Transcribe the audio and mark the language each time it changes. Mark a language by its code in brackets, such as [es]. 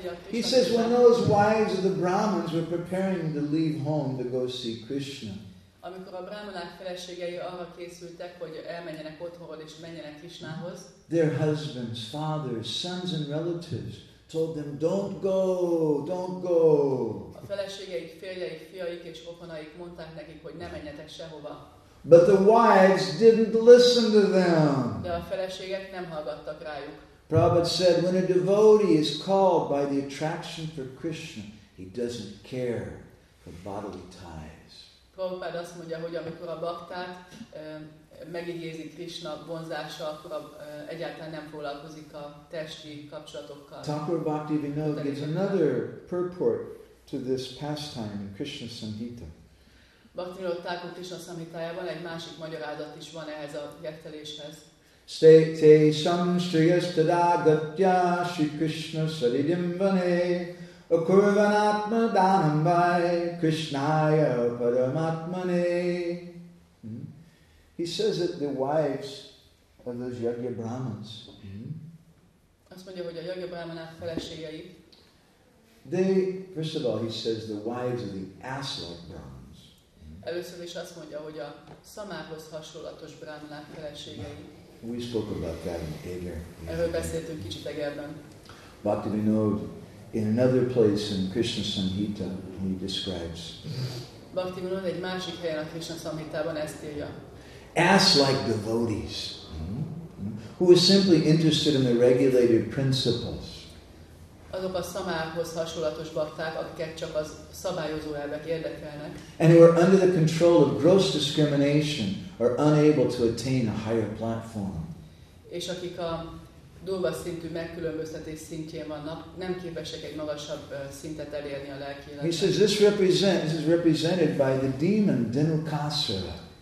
[en] He says when those wives of the Brahmins were preparing to leave home to go see Krishna. [hu] Amikor a brahmanák feleségei arra készültek, hogy elmenjenek otthonról és menjenek Krishnához. [en] Their husbands, fathers, sons and relatives told them, "Don't go, don't go." [hu] A feleségeik, férjeik, fiaik és otthonaik mondták nekik, hogy ne menjetek sehova. [en] But the wives didn't listen to them. [hu] De a feleségek nem hallgattak rájuk. [en] Prabhupada said, when a devotee is called by the attraction for Krishna, he doesn't care for bodily ties. [hu] Prabhupada azt mondja, hogy amikor a baktát megigézi Krishna vonzása, akkor egyáltalán nem foglalkozik a testi kapcsolatokkal. [en] Thakur Bhaktivinoda gives another purport to this pastime in Krishna Samhita. [hu] Bhaktivinoda Thakur Krishna Samhitájában egy másik magyarázat is van ehhez a gyerteléshez. [sa] Stete sam shriyastada gatya shri krishna saridimbane akurvanatma danambai krishnaya paramatmane. [en] He says that the wives of those yagya brahmins, [hu] azt mondja, hogy a yagya brahmanák feleségei, [en] they, first of all, he says the wives of the asa brahmins, [hu] először is azt mondja, hogy a szamárhoz hasonlatos brahmanák feleségei. [en] We spoke about that in Eger. [hu] Erről beszéltünk kicsit Egerben. [en] Bhaktivinoda, in another place in Krishna Samhita, he describes. [hu] Bhaktivinoda egy másik helyen a Krishna Samhitában ezt írja. [en] Ass-like devotees, who are simply interested in the regulated principles. [hu] Azok a szamárhoz hasonlatos bakták, akiket csak az szabályozó elvek érdekelnek. [en] And who are under the control of gross discrimination, are unable to attain a higher platform. [hu] És akik a durva szintű megkülönböztetés szintjén vannak, nem képesek egy magasabb szintet elérni a lelki életben. [en] He says this is represented by the demon Dhenukasura.